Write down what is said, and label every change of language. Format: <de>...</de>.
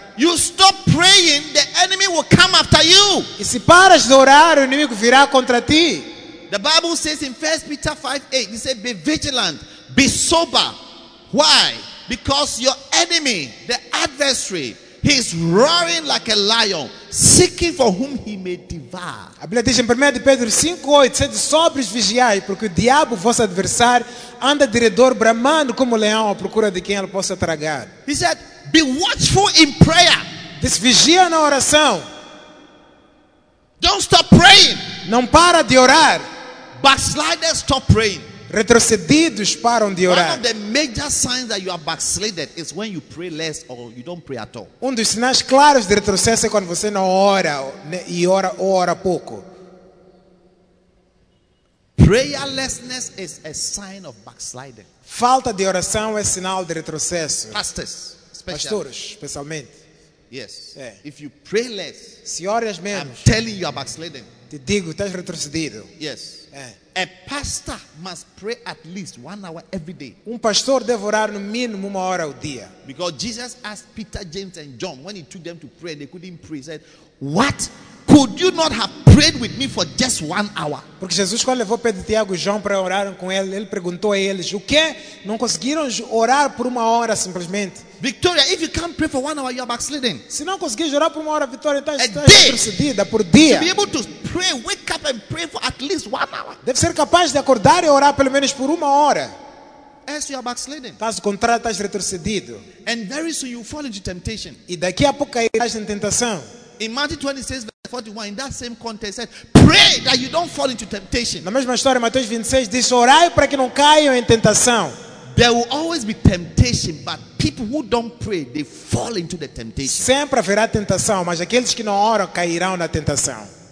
<en>You stop praying, the enemy will come after you.</en> <pt>E se paras de orar, o inimigo virá contra ti.</pt> <en>The Bible says in 1 Peter 5, 8, it says, be vigilant, be sober. Why? Because your enemy, the adversary, he is roaring like a lion, seeking for whom he may devour.</en> <pt>A Bíblia diz em 1 Pedro 5, 8, sede sóbrios, vigiai, porque o diabo, vosso adversário, anda de redor bramando como leão à procura de quem ele possa tragar.</pt> <en>He said, be watchful in prayer.</en> <pt>Diz, vigia na oração.</pt> <en>Don't stop praying.</en> <pt>Não para de orar.</pt> <en>Backsliders, stop praying.</en> <pt>Retrocedidos param de orar.</pt> <en>One of the major signs that you are backslided is when you pray less or you don't pray at all.</en> <pt>Um dos sinais claros de retrocesso é quando você não ora e ora ou ora pouco.</pt> <en>Prayerlessness is a sign of backsliding.</en> <pt>Falta de oração é sinal de retrocesso.</pt> <en>Pastors,</en> <pt>pastores, especialmente.</pt> <en>Yes.</en> <pt>É.</pt> <en>If you pray less,</en> <pt>se oras menos,</pt> <en>I'm telling you are backsliding.</en> <pt>Te digo, estás retrocedido.</pt> <en>Yes.</en> <pt>É.</pt> <en>A pastor must pray at least 1 hour every day.</en> <pt>Pastor deve orar no mínimo 1 hora ao dia.</pt> <en>Because Jesus asked Peter, James and John, when he took them to pray and they couldn't pray, he said, what? Could you not have prayed with me for just 1 hour?</en> <pt>Porque Jesus quando levou Pedro, Tiago e João para orar com ele, ele perguntou a eles, o quê? Não conseguiram orar por 1 hora simplesmente?</pt> <en>Victoria, if you can't pray for 1 hour, you are backsliding.</en> <pt>Se não conseguires orar por 1 hora, Victoria, estás retrocedida por dia.</pt> <en>To be able to pray, wake up and pray for at least 1 hour.</en> <pt>Deve ser capaz de acordar e orar pelo menos por 1 hora.</pt> <en>Else you are backsliding.</en> <pt>Caso contrário, estás retrocedido.</pt> <en>And very soon you fall into temptation.</en> <pt>E daqui a pouco cairás em tentação.</pt> <en>In Matthew 26, verse 41, in that same context, said, pray that you don't fall into temptation.</en> <pt>Na mesma história, Mateus 26 diz, orai para que não caiam em tentação.</pt> <en>There will always be temptation, but people who don't pray, they fall into the temptation.</en> <pt>Sempre haverá tentação, mas aqueles que não oram cairão na tentação.</pt>